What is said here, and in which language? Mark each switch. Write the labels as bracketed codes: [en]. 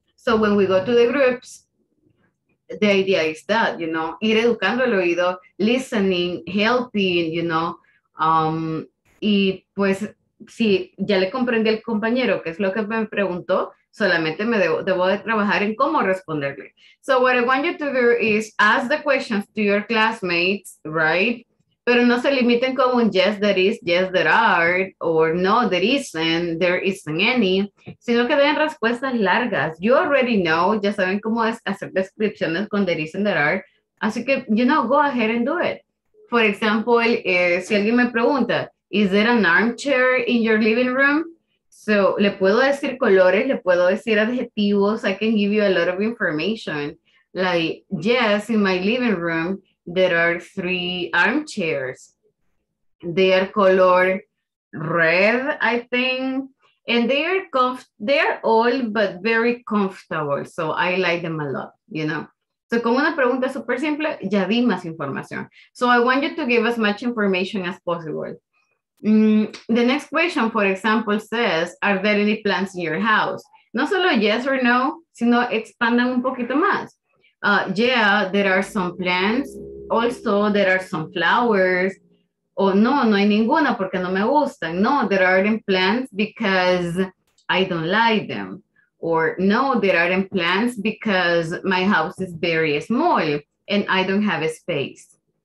[en] So when we go to the groups, the idea is that, you know, [es] ir educando el oído, [en] listening, helping, you know. [es] Y pues, si ya le comprendí al compañero, que es lo que me preguntó, solamente me debo de trabajar en cómo responderle. [en] So what I want you to do is ask the questions to your classmates, right? [es] Pero no se limiten con un [en] yes, there are, or no, there isn't any, [es] sino que den respuestas largas. [en] You already know, [es] ya saben cómo es hacer descripciones con [en] there is and there are. [es] Así que, [en] you know, go ahead and do it. For example, [es] si alguien me pregunta, [en] is there an armchair in your living room? So, [es] le puedo decir colores, le puedo decir adjetivos, [en] I can give you a lot of information. Like, yes, in my living room, there are 3 armchairs. They are color red, I think. And they are old, but very comfortable. So I like them a lot, you know. [es] So con una pregunta super simple, ya di más información. [en] So I want you to give as much information as possible. The next question, for example, says, are there any plants in your house? [es] No solo [en] yes or no, [es] sino expandan un poquito más. [en] Yeah, there are some plants. Also, there are some flowers. [es] Oh, no, no hay ninguna porque no me gustan. [en] No, there aren't plants because I don't like them. Or no, there aren't plants because my house is very small and I don't have a space.